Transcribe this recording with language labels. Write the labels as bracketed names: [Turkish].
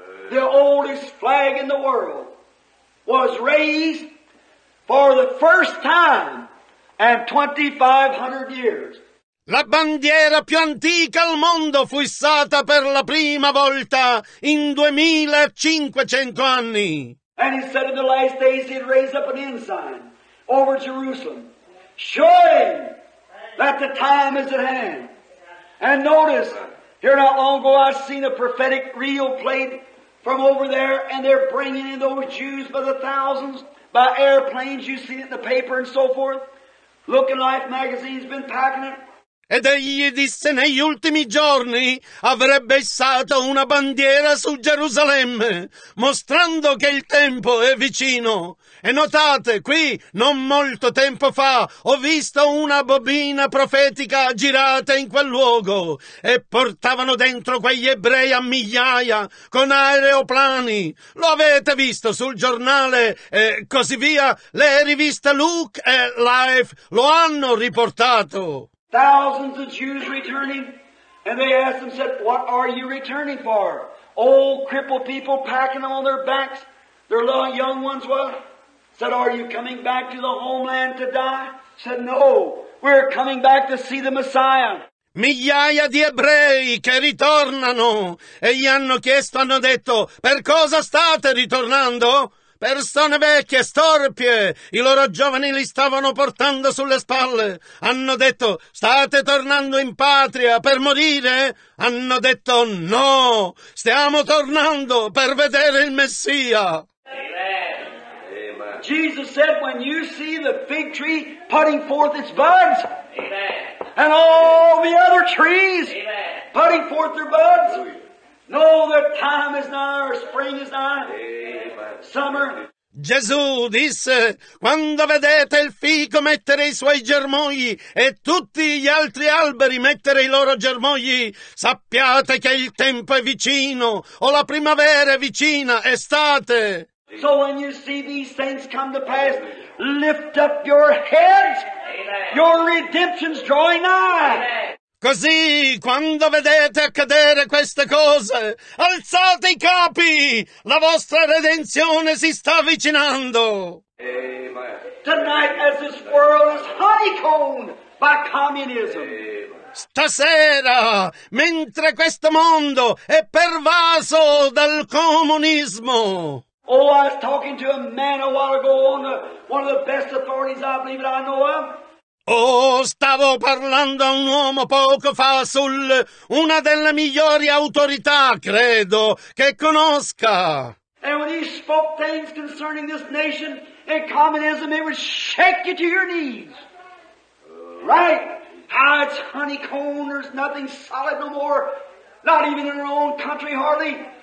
[English] The oldest flag in the world was raised for the first time in 2500 years. [Italian] La bandiera più antica al mondo fu issata per la prima volta in 2500 anni. [English] And he said in the last days he'd raise up an ensign over Jerusalem, showing that the time is at hand. And notice, here not long ago I've seen a prophetic reel played from over there, and they're bringing in those Jews by the thousands, by airplanes, you've seen it in the paper and so forth. Looking Life magazine's been packing it. [Italian] Ed egli disse negli ultimi giorni avrebbe issato una bandiera su Gerusalemme, mostrando che il tempo è vicino. E notate, qui, non molto tempo fa, ho visto una bobina profetica girata in quel luogo e portavano dentro quegli ebrei a migliaia con aeroplani. Lo avete visto sul giornale e così via. Le riviste Look e Life lo hanno riportato. [English] Thousands of Jews returning, And they asked him, said, what are you returning for? Old crippled people packing them on their backs, their little young ones, what? Said, are you coming back to the homeland to die? Said, no, we're coming back to see the Messiah. [Italian] Migliaia di ebrei che ritornano e gli hanno chiesto, hanno detto, per cosa state ritornando? Persone vecchie, storpie, i loro giovani li stavano portando sulle spalle. Hanno detto, state tornando in patria per morire? Hanno detto, no, stiamo tornando per vedere il Messia. Amen. [English] Jesus said, when you see the fig tree putting forth its buds, amen, and all the other trees, amen, putting forth their buds, know that time is nigh, or spring is nigh. Summer. [Italian] Gesù disse, quando vedete il fico mettere i suoi germogli e tutti gli altri alberi mettere i loro germogli, sappiate che il tempo è vicino, o la primavera è vicina, estate. [English] So when you see these things come to pass, lift up your heads, your redemption's drawing nigh. [Italian] Così, quando vedete accadere queste cose, alzate i capi! La vostra redenzione si sta avvicinando! Amen. [English] Tonight, as this world is honeycombed by communism. Amen. [Italian] Stasera, mentre questo mondo è pervaso dal comunismo. [English] Oh, I was talking to a man a while ago on one of the best authorities I believe that I know of. [Italian] Oh, stavo parlando a un uomo poco fa su una delle migliori autorità, credo, che conosca. [English] And when he spoke things concerning this nation and communism, it would shake you to your knees. Right? How it's honeycomb, there's nothing solid no more, not even in our own country, hardly.